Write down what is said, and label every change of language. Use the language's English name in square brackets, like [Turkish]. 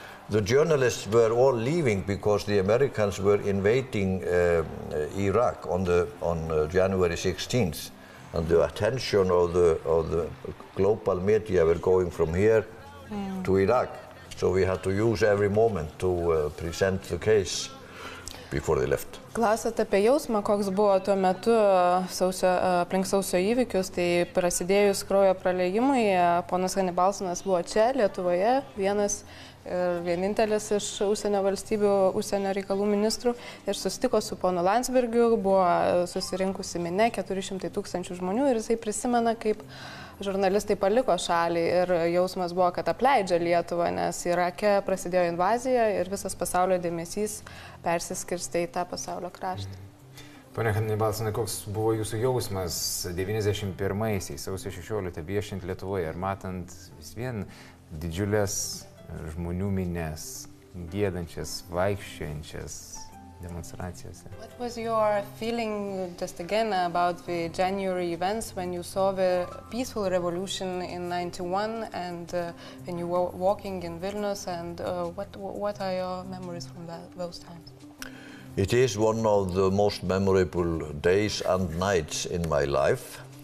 [English] The journalists were all leaving because the Americans were invading Iraq on January 16th, and the attention of the global media were going from here to Iraq. So we had to use every moment to present the case before they left. [Lithuanian] Klausėt apie jausmą, koks buvo tuo metu aplink sausio įvykius, tai prasidėjus kraujo praliejimui, ponas Hanibalsonas buvo čia, Lietuvoje, vienas ir vienintelis iš užsienio valstybių, užsienio reikalų ministrų, ir susitiko su ponu Landsbergiu, buvo susirinkusi minė 400 tūkstančių žmonių, ir jisai prisimena, kaip žurnalistai paliko šalį, ir jausmas buvo, kad apleidžia Lietuvą, nes Irake prasidėjo invazija ir visas pasaulio dėmesys persiskirstė į tą pasaulio kraštą. Pone Hanibalsonai, koks buvo jūsų jausmas 91-aisiais, sausio 16-ąją viešint Lietuvoje, ir matant vis vien didžiulės žmonių minės, giedančias, vaikščiančias demonstracijose. [English] What was your feeling just again about the January events when you saw the peaceful revolution in 91 and when you were walking in Vilnius, and what are your memories from those times? It is one of the most memorable days and nights in my life.